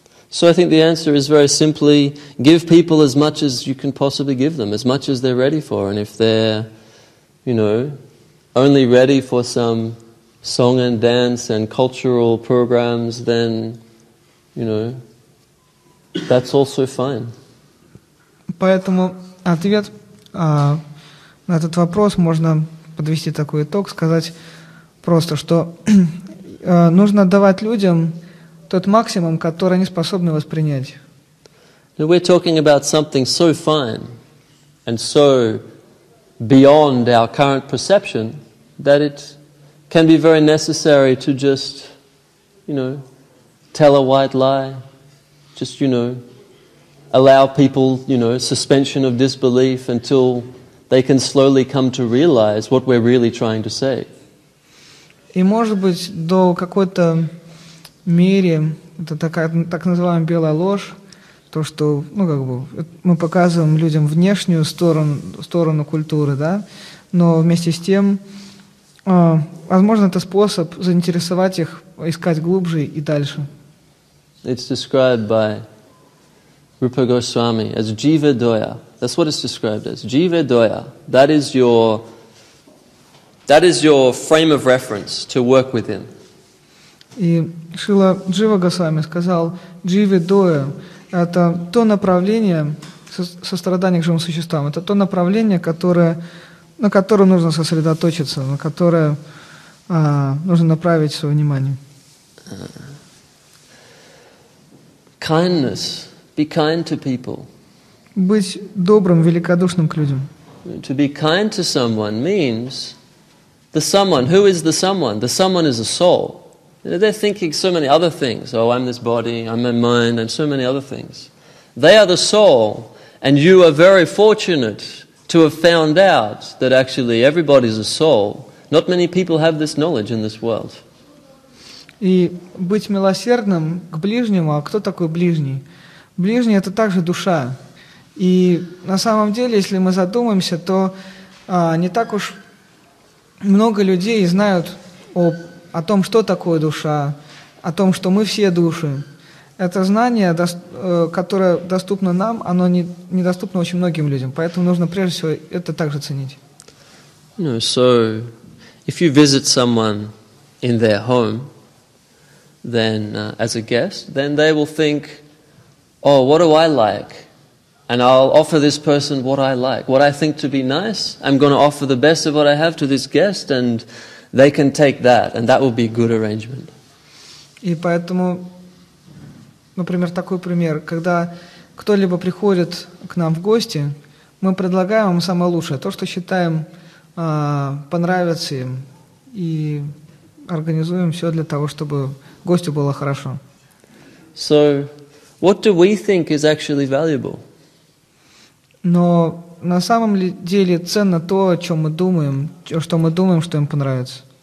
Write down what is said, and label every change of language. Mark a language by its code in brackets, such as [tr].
[en] So I think the answer is very simply: give people as much as you can possibly give them, as much as they're ready for. And if they're, you know, only ready for some song and dance and cultural programs, then, you know, that's also fine. [ru] Поэтому ответ на этот вопрос можно подвести такой итог, сказать просто, что нужно давать людям тот максимум, который они способны воспринять. [en] We're talking about something so fine and so beyond our current perception that it can be very necessary to just, you know, tell a white lie, just, you know, allow people, you know, suspension of disbelief until they can slowly come to realize what we're really trying to say. [ru] И может быть, до какой-то мере, это такая так называемая белая ложь, то, что, ну, как бы, мы показываем людям внешнюю сторону культуры, да, но вместе с тем, возможно, это способ заинтересовать их, искать глубже и дальше. [en] It's described by Rupa Goswami as jiva doya. That's what it's described as. Jiva doya. That is your frame of reference to work within. [ru] И Шрила Джива Госвами сказал: «Дживи доя» — это то направление сострадания к живым существам, это то направление, на которое нужно сосредоточиться, на которое нужно направить свое внимание. [en] Kindness. Be kind to people. [ru] Быть добрым, великодушным к людям. [en] To be kind to someone means the someone. Who is the someone? The someone is a soul. They're thinking so many other things. Oh, I'm this body, I'm my mind, and so many other things. They are the soul, and you are very fortunate to have found out that actually everybody's a soul. Not many people have this knowledge in this world. [ru] И быть милосердным к ближнему, а кто такой ближний? Ближний — это также душа. И на самом деле, если мы задумаемся, то не так уж много людей знают о том, что такое душа, о том, что мы все души. Это знание, которое доступно нам, оно недоступно очень многим людям. Поэтому нужно прежде всего это также ценить. [en] Ну, so if you visit someone in their home, then as a guest, then they will think, oh, what do I like? And I'll offer this person what I like, what I think to be nice. I'm going to offer the best of what I have to this guest, and they can take that, and that will be a good arrangement. [ru] И поэтому, например, такой пример, когда кто-либо приходит к нам в гости, мы предлагаем им самое лучшее, то, что считаем понравится им, и организуем все для того, чтобы гостю было хорошо. [en] So, what do we think is actually valuable? [ru] Но на самом деле ценно то, о чем мы думаем, что мы думаем, что им понравится.